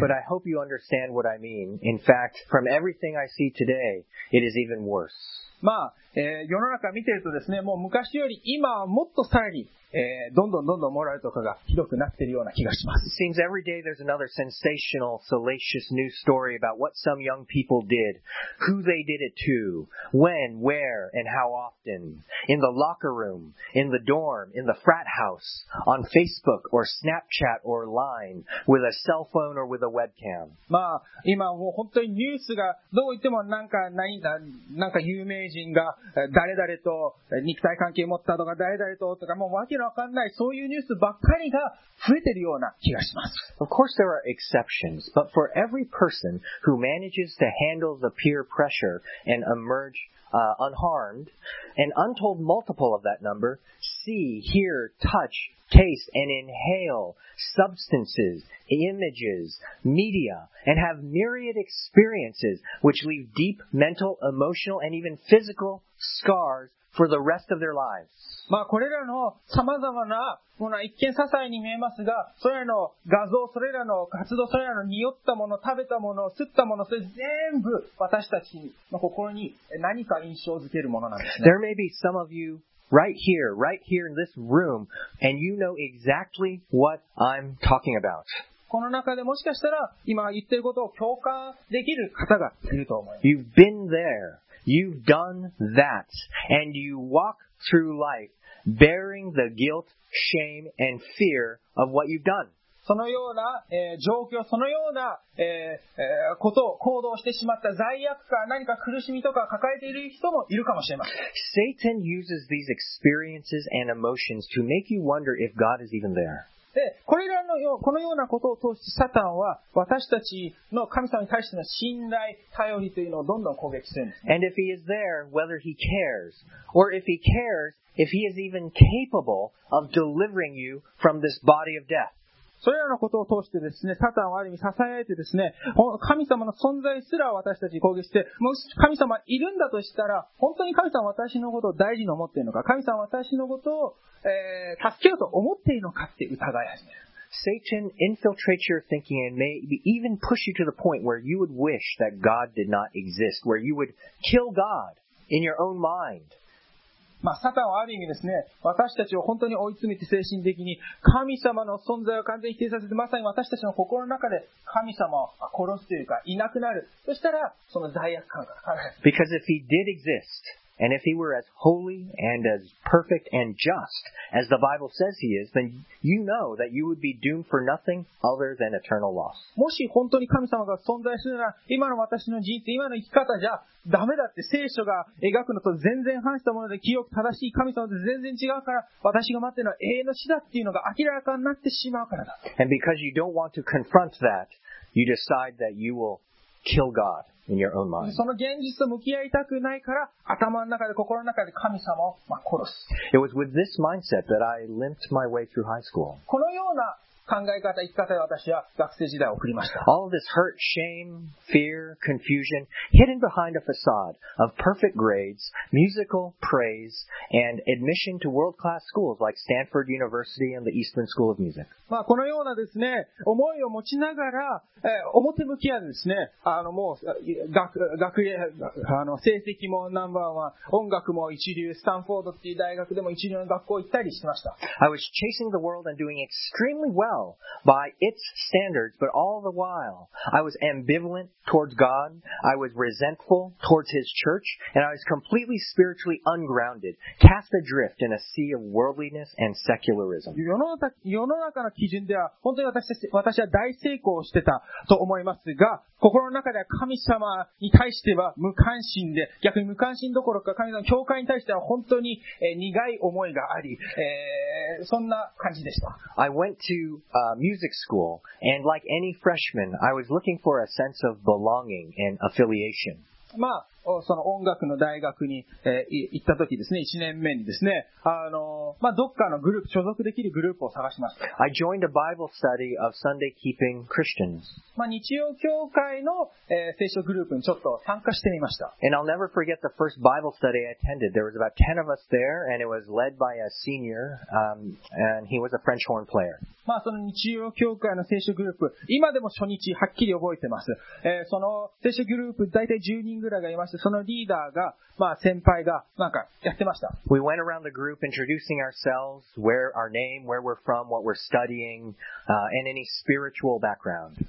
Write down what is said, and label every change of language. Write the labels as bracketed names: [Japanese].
[English] But I hope you understand what I mean. In fact, from everything I see today, it is even worse. [Japanese] まあ、世の中見てるとですね、もう昔より今はもっとさらに、どんどんどんどんモラルとかがひどくなってるような気がします。 [English] It seems every day there's another sensational, salacious news story about what some young people did, who they did it to, when, where, and how often. In the locker room, in the dorm, in the frat house, on Facebook or Snapchat or Line, with a cell phone or with a webcam. [Japanese] まあ、今もう本当にニュースがどう言ってもなんか何だ、なんか有名人が誰々と肉体関係持ったとか誰々ととかもう訳のわかんないそういうニュースばっかりが増えてるような気がします。 [English] Of course there are exceptions, but for every person who manages to handle the peer pressure and emerge unharmed, an untold multiple of that number see, hear, touch, taste, and inhale substances, images, media, and have myriad experiences which leave deep mental, emotional, and even physical scars. For the rest of their lives. [Japanese] まあこれらの様々なものは一見些細に見えますが、それらの画像、それらの活動、それらの匂ったもの、食べたもの、吸ったもの、それ全部私たちの心に何か印象づけるものなんですね。 [English] There may be some of you right here in this room, and you know exactly what I'm talking about. [Japanese] この中でもしかしたら今言ってることを共感できる方がいると思います。 [English] You've been there, you've done that, and you walk through life bearing the guilt, shame, and fear of what you've done. [Japanese] そのような、状況、そのような、ことを行動してしまった罪悪感、何か苦しみとか抱えている人もいるかもしれません。 [English] Satan uses these experiences and emotions to make you wonder if God is even there. [Japanese] で、これらのよう、このようなことを通して、サタンは私たちの神様に対しての信頼、頼りというのをどんどん攻撃するんです。 [English] And if he is there, whether he cares, or if he cares, if he is even capable of delivering you from this body of death. [Japanese] それらのことを通してですね、サタンはある意味支えてですね、神様の存在すら私たちに攻撃して、もし神様いるんだとしたら、本当に神様は私のことを大事に思っているのか、神様は私のことを、助けようと思っているのかって疑い始める。 [English] Satan infiltrates your thinking and may even push you to the point where you would wish that God did not exist, where you would kill God in your own mind. [Japanese] まあ、サタンはある意味ですね、私たちを本当に追い詰めて精神的に神様の存在を完全に否定させて、まさに私たちの心の中で神様を殺すというか、いなくなる。そしたら、その罪悪感が。 [English] Because if he did exist, and if he were as holy and as perfect and just as the Bible says he is, then you know that you would be doomed for nothing other than eternal loss. [Japanese] もし本当に神様が存在するなら、今の私の人生、今の生き方じゃ、ダメだって聖書が描くのと全然反したもので清く正しい神様と全然違うから私が待っているのは永遠の死だっていうのが明らかになってしまうからだ。 [English] And because you don't want to confront that, you decide that you will kill God in your own mind. [Japanese] その現実と向き合いたくないから頭の中で心の中で神様を殺す。 [English] It was with this mindset that I limped my way through high school. [Japanese] このような考え方、生き方で私は学生時代を送りました。 [English] All of this hurt, shame, fear, confusion, hidden behind a facade of perfect grades, musical praise, and admission to world-class schools like Stanford University and the Eastman School of Music. [Japanese] まあ、このようなですね、思いを持ちながら、表向きはですね、もう、成績もナンバーワン、音楽も一流、スタンフォードっていう大学でも一流の学校行ったりしてました。 [English] I was chasing the world and doing extremely well well by its standards, but all the while, I was ambivalent towards God, I was resentful towards His church, and I was completely spiritually ungrounded, cast adrift in a sea of worldliness and secularism. [Japanese] 世の中の基準では本当に私は大成功をしてたと思いますが、心の中では神様に対しては無関心で、逆に無関心どころか神様の教会に対しては本当に、苦い思いがあり、そんな感じでした。 [English] I went to music school, and like any freshman, I was looking for a sense of belonging and affiliation. [Japanese] まあ、その音楽の大学に、行ったときですね、1年目にですね、まあ、どっかのグループ、所属できるグループを探しました。 [English] I joined a Bible study of Sunday keeping Christians. [Japanese] まあ、日曜教会の、聖書グループにちょっと参加してみました。 [English] And I'll never forget the first Bible study I attended. There was about 10 of us there, and it was led by a senior, and he was a French horn player. [Japanese] まあ、その日曜教会の聖書グループ、今でも初日はっきり覚えてます。その聖書グループ、大体10人ぐらいがいます。そのリーダーが、まあ、先輩がなんかやってました。 [English] We went around the group introducing ourselves, where our name, where we're from, what we're studying, and any spiritual background.